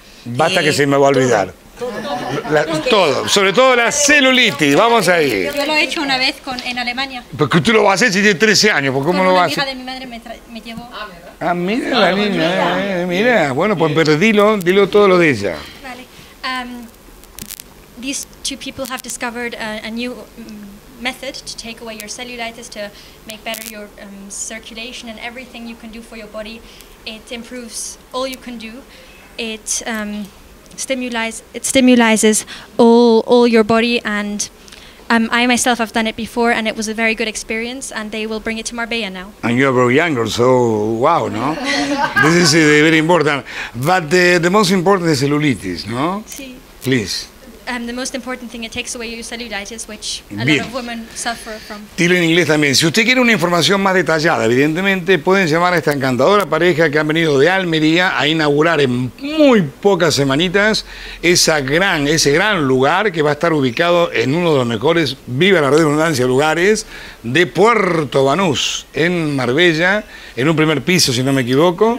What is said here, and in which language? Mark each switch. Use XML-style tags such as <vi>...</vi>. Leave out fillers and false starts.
<es>Basta que se me va a olvidar. Todo, sobre todo la celulitis. Vamos ahí. Yo lo he hecho una vez en Alemania. ¿Pero qué tú lo vas a hacer si tienes 13 años? ¿Cómo con lo vas una a hacer? La hija de mi madre me llevó. Mira la niña. Mira, bueno, pues dilo todo lo de ella. Vale.</es> <en>These two people have discovered a new method to take away your cellulitis, to make better your circulation and everything you can do for your body. It improves all you can do. It stimulizes all your body, and I myself have done it before, and it was a very good experience, and they will bring it to Marbella now. And you are very younger, so wow, no? This is very important. But the most important is cellulitis, no?</en> <es>Sí.</es> <en>Please. The most important thing, it takes away your cellulitis, which a lot of women suffer from.</en> <es>Dilo en inglés también. Si usted quiere una información más detallada, evidentemente, pueden llamar a esta encantadora pareja que han venido de Almería a inaugurar en muy pocas semanitas ese gran lugar que va a estar ubicado en uno de los mejores, viva la redundancia, lugares de Puerto Banús, en Marbella, en un primer piso, si no me equivoco.</es>